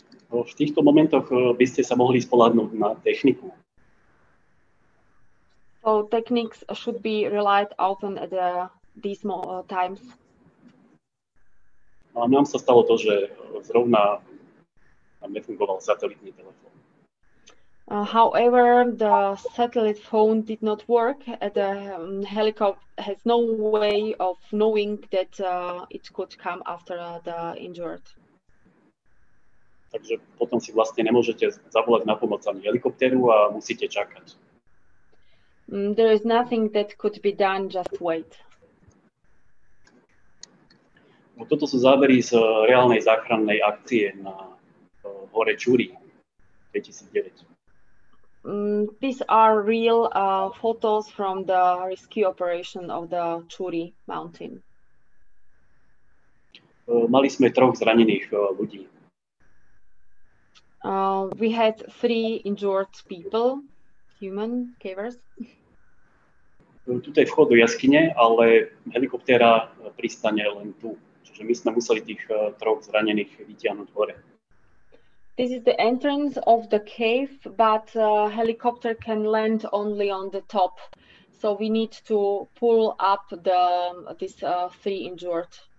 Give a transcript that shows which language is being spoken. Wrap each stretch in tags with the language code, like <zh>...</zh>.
<sk>V týchto momentoch by ste sa mohli spoľahnúť na techniku.</sk> <en>So techniques should be relied often at these times.</en> <sk>A nám sa stalo to, že zrovna tam nefungoval satelitný telefón.</sk> <en>However, the satellite phone did not work. The helicopter has no way of knowing that it could come after the injured.</en> <sk>Takže potom si vlastne nemôžete zavolať na pomoc ani helikoptéru a musíte čakať.</sk> <en>There is nothing that could be done, just wait.</en> <sk>No, toto sú zábery z reálnej záchrannej akcie na hore Čúri 2009.</sk> <en>These are real photos from the rescue operation of the Čúri mountain.</en> <sk>Mali sme troch zranených ľudí.</sk> <en>We had 3 injured people, human cavers.</en> <sk>Tu je vchod do jaskyne, ale helikoptéra pristane len tu. Čiže my sme museli tých troch zranených vytiahnuť hore.</sk> <en>This is the entrance of the cave, but helicopter can land only on the top. So we need to pull up these 3 injured.</en>